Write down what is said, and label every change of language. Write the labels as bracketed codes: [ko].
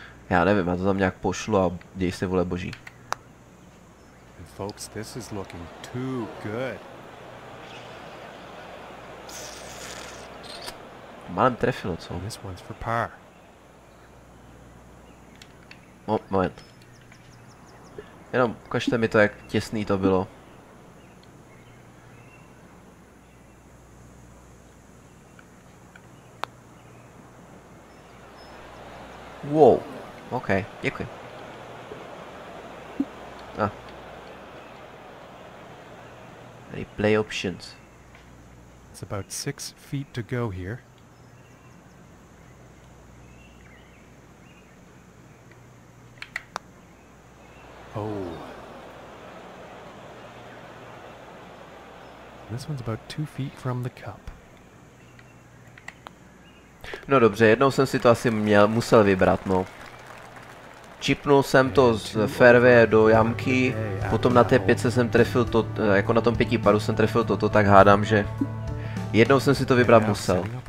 [cs] Já nevím, já to tam nějak pošlu a děj se, vole boží. [en] And folks, this is looking too good. [cs] Málem trefilo, co? [en] This one's for par. [cs] Moment. Jenom ukažte mi to, jak těsný to bylo. Wow, ok, děkuji. Ah. [en] Replay options. It's about 6 feet to go here. Oh. This one's about 2 feet from the cup. [cs] No dobře, jednou jsem si to asi musel vybrat, no. Čipnul jsem to z fairwaye do jamky, potom na té pětce jsem trefil to, jako na tom pětí paru jsem trefil toto, tak hádám, že jednou jsem si to vybrat musel.